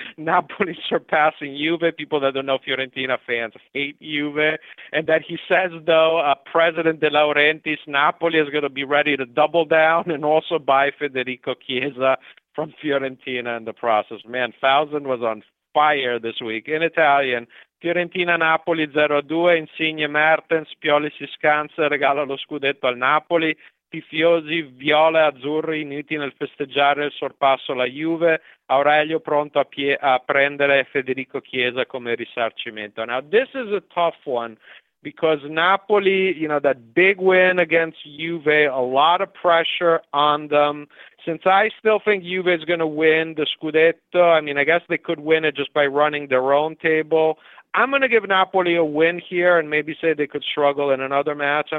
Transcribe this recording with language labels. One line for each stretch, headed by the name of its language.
English: Napoli surpassing Juve. People that don't know Fiorentina fans hate Juve. And that he says, though, President De Laurentiis, Napoli is going to be ready to double down and also buy Federico Chiesa from Fiorentina in the process. Man, Fausen was on fire this week. In Italian,
Italian: Fiorentina-Napoli 0-2, Insigne-Mertens, Pioli si scansa, regala lo scudetto al Napoli, tifosi viola-azzurri uniti nel festeggiare il sorpasso alla Juve, Aurelio pronto a prendere Federico Chiesa come risarcimento.
English: Now, this is a tough one, because Napoli, you know, that big win against Juve, a lot of pressure on them. Since I still think Juve is going to win the Scudetto, I mean, I guess they could win it just by running their own table. I'm going to give Napoli a win here and maybe say they could struggle in another match.